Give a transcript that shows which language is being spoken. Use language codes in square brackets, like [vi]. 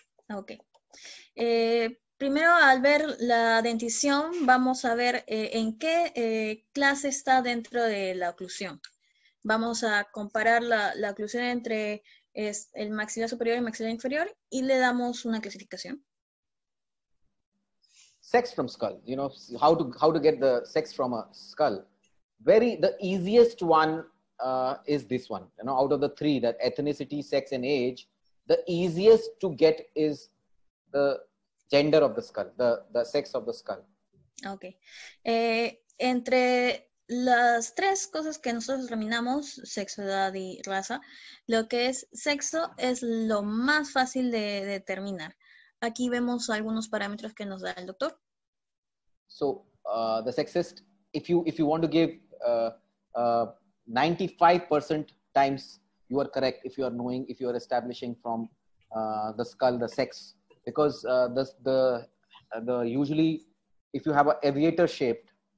[en] Okay. [es] Primero, al ver la dentición, vamos a ver en qué clase está dentro de la oclusión. Vamos a comparar la oclusión entre el maxilar superior y el maxilar inferior y le damos una clasificación. [en] Sex from skull, you know, how to get the sex from a skull. Very, the easiest one is this one, you know, out of the three, that ethnicity, sex and age, the easiest to get is the gender of the skull, the sex of the skull. Okay. [es] Entre las tres cosas que nosotros examinamos, sexo, edad y raza, lo que es sexo es lo más fácil de determinar. Aquí vemos algunos parámetros que nos da el doctor. [en] So, the sexist, if you want to give 95% times you are correct if you are establishing from the skull the sex, because the usually if you have an aviator shaped